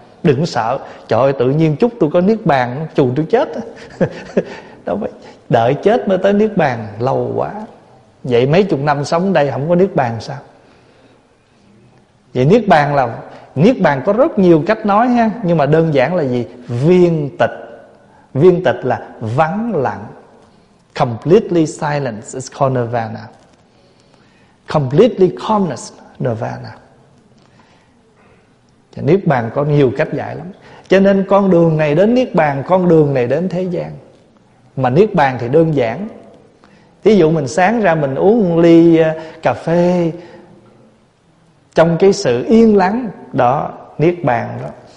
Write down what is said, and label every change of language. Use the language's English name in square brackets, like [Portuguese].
[Vietnamese] Đừng sợ, trời ơi, tự nhiên chúc tôi có niết bàn, chù tôi chết. Đâu phải, đợi chết mới tới niết bàn, lâu quá. Vậy mấy chục năm sống đây không có niết bàn sao? Vậy niết bàn là, niết bàn có rất nhiều cách nói ha, nhưng mà đơn giản là gì? Viên tịch. Viên tịch là vắng lặng. [English] Completely silence is called nirvana. Completely calmness, nirvana. [Vietnamese] Và niết bàn có nhiều cách giải lắm. Cho nên con đường này đến niết bàn, con đường này đến thế gian. Mà niết bàn thì đơn giản. Ví dụ mình sáng ra mình uống một ly cà phê trong cái sự yên lắng, đó niết bàn đó.